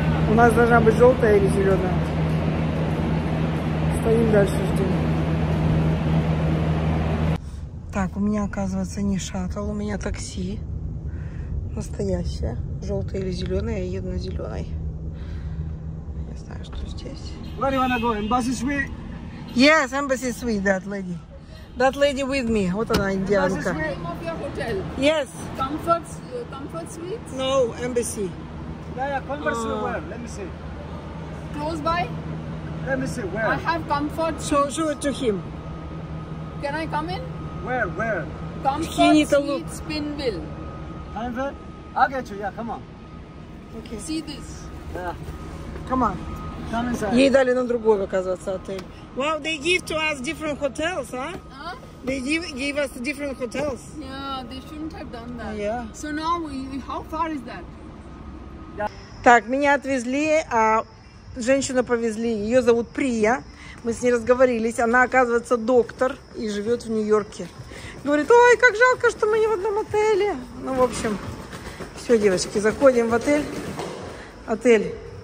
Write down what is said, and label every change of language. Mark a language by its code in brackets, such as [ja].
[ru] У нас должна быть желтая или зеленая. Стоим дальше, ждем. Так, у меня, оказывается, не шаттл. У меня такси. настоящая. Желтая или зеленая, я еду на зеленой. Не знаю, что здесь. [en] Where you wanna go? Embassy suite? Yes, embassy suite, that lady. That lady with me. [ru] Вот она, индианка. [en] Embassy suite name of your hotel? Yes. Comfort suite? No, embassy. Yeah, comfort suite where? Let me see. Close by? Let me see, where? I have comfort suite. Show it to him. Can I come in? Where? Comfort suite spinwheel. Comfort? I'll get you, yeah, come on. Okay. See this? Yeah. Come on. Come inside. [ru] Ей дали на другой, оказывается, отель. [en] Wow, they give to us different hotels, huh? They give us different hotels. Yeah, they shouldn't have done that. Yeah. So now we, how far is that? [ru] Так, меня отвезли, а женщину повезли. Ее зовут Прия. Мы с ней разговорились. Она, оказывается, доктор и живет в Нью-Йорке. Говорит, ой, как жалко, что мы не в одном отеле. Ну, в общем, все, девочки, заходим в отель. Отель.